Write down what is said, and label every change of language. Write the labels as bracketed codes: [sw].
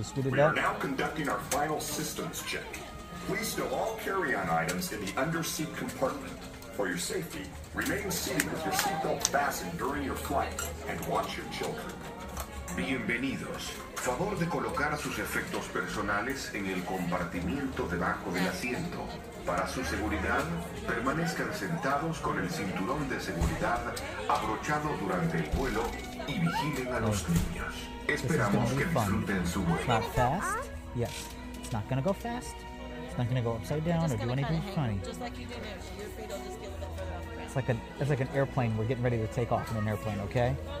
[en] We are now conducting our final systems check. Please stow all carry-on items in the underseat compartment. For your safety, remain seated with your seatbelt fastened during your flight and watch your children. [es] Bienvenidos. Favor de colocar sus efectos personales en el compartimiento debajo del asiento. Para su seguridad, permanezcan sentados con el cinturón de seguridad abrochado durante el vuelo y vigilen a los niños. Esperamos que disfruten su vuelo. [en] Not fast? Yes. It's not gonna go fast. It's not gonna go upside down or do anything funny. It's like an airplane. We're getting ready to take off in an airplane, okay?